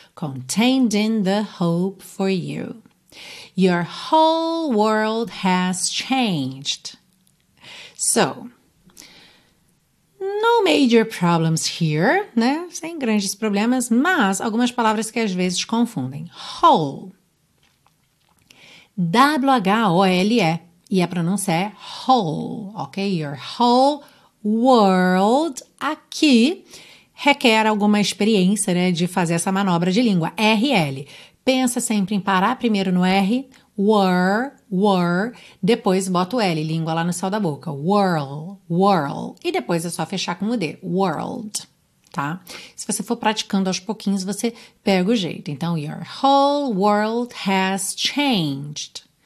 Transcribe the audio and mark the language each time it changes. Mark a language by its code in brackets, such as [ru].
[en] Contained in the hope for you. Your whole world has changed. So, no major problems here, né? [pt] Sem grandes problemas, mas algumas palavras que às vezes confundem. Whole. W-H-O-L-E. E a pronúncia é whole, ok? [en] Your whole world [pt] aqui requer alguma experiência, né? De fazer essa manobra de língua. R-L. Pensa sempre em parar primeiro no R. Were, depois bota o L, língua lá no céu da boca, world, e depois é só fechar com o D, world, tá? Se você for praticando aos pouquinhos, você pega o jeito. [en] Então, your whole world has changed.